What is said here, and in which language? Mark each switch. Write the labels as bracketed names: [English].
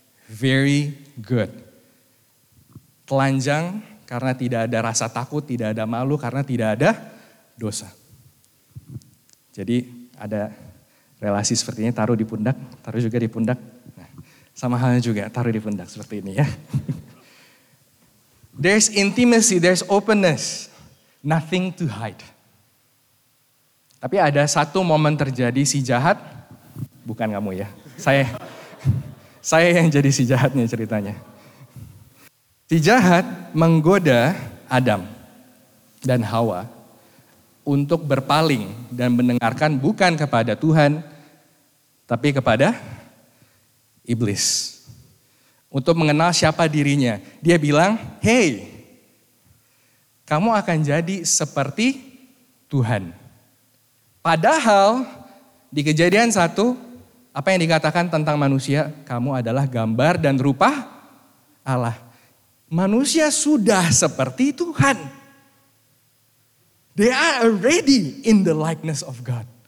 [English] Very good. [Indonesian] Telanjang karena tidak ada rasa takut, tidak ada malu, karena tidak ada dosa. Jadi ada relasi seperti ini, taruh di pundak, taruh juga di pundak. Nah, sama halnya juga, taruh di pundak seperti ini ya. [English] There's intimacy, there's openness, nothing to hide. [Indonesian] Tapi ada 1 momen terjadi, si jahat, bukan kamu ya, saya yang jadi si jahatnya ceritanya. Si jahat menggoda Adam dan Hawa untuk berpaling dan mendengarkan bukan kepada Tuhan, tapi kepada iblis. Untuk mengenal siapa dirinya. Dia bilang, hey, kamu akan jadi seperti Tuhan. Padahal di Kejadian 1, apa yang dikatakan tentang manusia, kamu adalah gambar dan rupa Allah. Manusia sudah seperti Tuhan. [English] They are already in the likeness of God.